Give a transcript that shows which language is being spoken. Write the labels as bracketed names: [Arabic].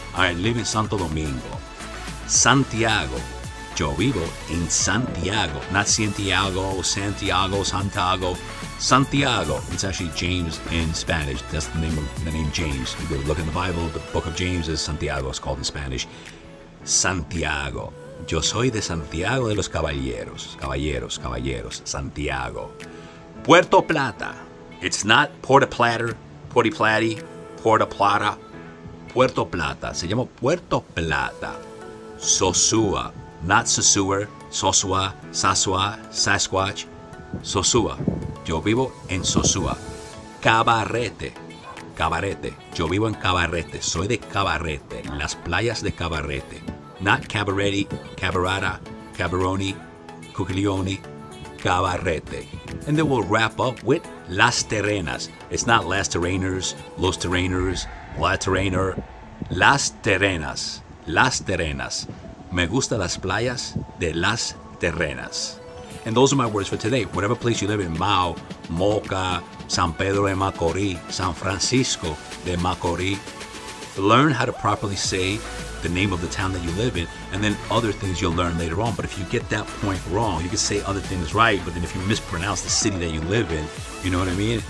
[English] I live in Santo Domingo. Santiago. [Spanish] Yo vivo en Santiago, not Santiago, Santiago, Santiago, Santiago. [English] It's actually James in Spanish. That's the name of the name James. If you look in the Bible, the book of James is Santiago. It's called in Spanish. Santiago. [Spanish] Yo soy de Santiago de los Caballeros. Caballeros, Caballeros, Santiago. Puerto Plata. [English] It's not Porta Plata, Porti Platy, Porta Plata. Puerto Plata. [Spanish] Se llama Puerto Plata. Sosúa. [English] Not Sosua, Sosua, Sasua, Sasquatch, Sosua. [Spanish] Yo vivo en Sosua. Cabarete, Cabarete. Yo vivo en Cabarete. Soy de Cabarete, las playas de Cabarete. [English] Not Cabaretti, Cabarata, Cabaroni, Cuclioni, Cabarete. And then we'll wrap up with Las Terrenas. It's not Las Terreners, Los Terreners, La Terrener. [Spanish] Las Terrenas, Las Terrenas. Me gusta las playas de las terrenas. [English] And those are my words for today. Whatever place you live in, Mao, Moca, San Pedro de Macorís, San Francisco de Macorís, learn how to properly say the name of the town that you live in, and then other things you'll learn later on. But if you get that point wrong, you can say other things right, but then if you mispronounce the city that you live in, you know what I mean?